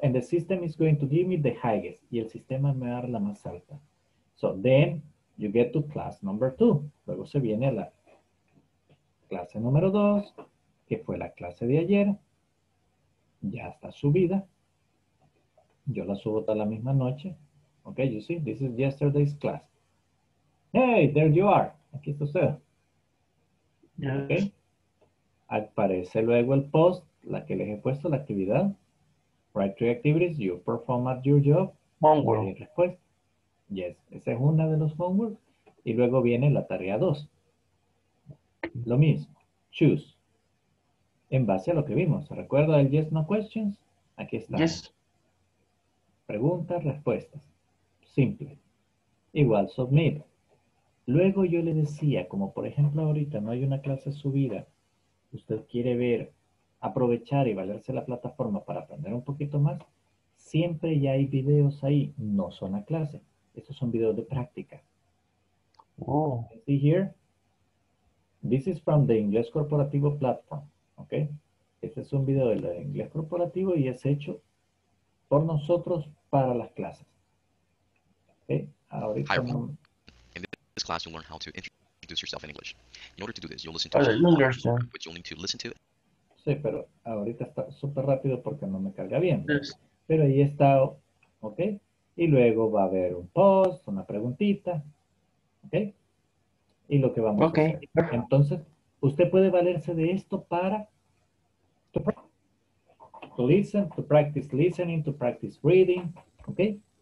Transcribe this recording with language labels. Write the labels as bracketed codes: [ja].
[en] And the system is going to give me the highest. [es] Y el sistema me va a dar la más alta. [en] So then you get to class number 2. [es] Luego se viene a la clase número 2, que fue la clase de ayer. Ya está subida. Yo la subo toda la misma noche. [en] Ok, you see, this is yesterday's class. Hey, there you are. [es] Aquí está usted. [en] Yes. Ok. [es] Aparece luego el post, la que les he puesto, la actividad. [en] Write three activities, you perform at your job. Homework. [es] Y respuesta. Yes, esa es una de los homework. Y luego viene la tarea 2. Lo mismo. Choose. En base a lo que vimos. ¿Recuerda el yes, no questions? Aquí está. [en] Yes. [es] Preguntas, respuestas. Simple. Igual, submit. Luego yo le decía, como por ejemplo ahorita no hay una clase subida, usted quiere ver, aprovechar y valerse la plataforma para aprender un poquito más, siempre ya hay videos ahí, no son a clase. Estos son videos de práctica. Oh. [en] See here? This is from the Inglés Corporativo Platform. Ok. [es] Este es un video del Inglés Corporativo y es hecho por nosotros para las clases. Ok. Ahorita no... [en] This class you'll learn how to introduce yourself in English. In order to do this, you'll listen to which you'll need to listen to. [es] Sí, pero ahorita está súper rápido porque no me carga bien. Yes. Pero ahí está, ¿ok? Y luego va a haber un post, una preguntita, ¿ok? Y lo que vamos [en] okay. [es] a hacer. Entonces, usted puede valerse de esto para [en] to listen, to practice listening, to practice reading, [es] ¿ok?